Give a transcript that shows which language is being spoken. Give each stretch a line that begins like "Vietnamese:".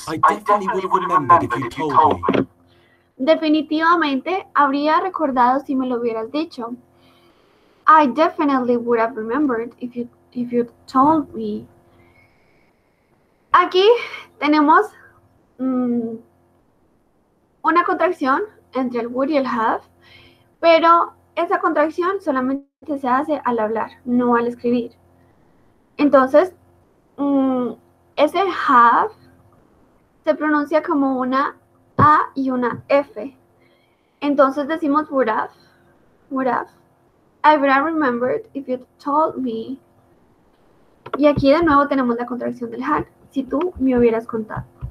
English: If you didn't play video games at the same time as you read your texts, I definitely would have remembered if you told me.
Spanish: Definitivamente habría recordado si me lo hubieras dicho.
English: I definitely would have remembered if you told me.
Spanish: Aquí tenemos una contracción entre el would y el have, pero esa contracción solamente se hace al hablar, no al escribir. Entonces, ese have se pronuncia como una A y una F. Entonces decimos
English: would have. I would have remembered if you told me.
Spanish: Y aquí de nuevo tenemos la contracción del had, si tú me hubieras contado.